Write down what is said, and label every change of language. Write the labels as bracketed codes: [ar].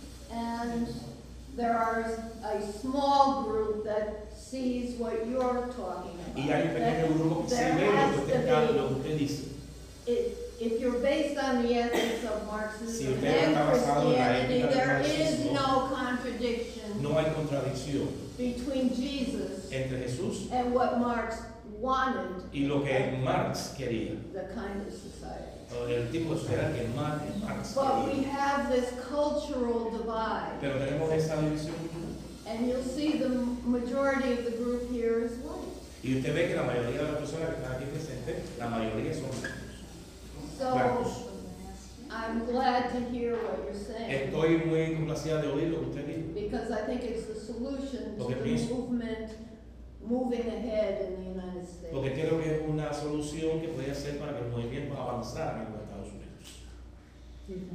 [en] And there are a small group that sees what you're talking about. [es] Y hay un grupo que se ve lo que usted dice. [en] If you're based on the ethics of Marxism [es] si [en] and Christianity, there [es] Marxismo, [en] is no contradiction. [es] No hay contradicción. [en] Between Jesus [es] entre Jesús [en] and what Marx wanted, [es] y lo que Marx quería, [en] the kind of society. [es] El tipo de sociedad que Marx [en] but [es] quería. [en] We have this cultural divide. [es] Pero tenemos esa división. [en] And you'll see the majority of the group here is white. [es] Y usted ve que la mayoría de las personas que están aquí presentes, la mayoría son blancos. [en] So [es] blancos. [en] I'm glad to hear what you're saying. [es] Estoy muy complacida de oír lo que usted dice. [en] Because I think it's the solution [es] porque [en] to the movement moving ahead in the United States. [es] Porque creo que es una solución que puede ser para que el movimiento avanzar en los Estados Unidos.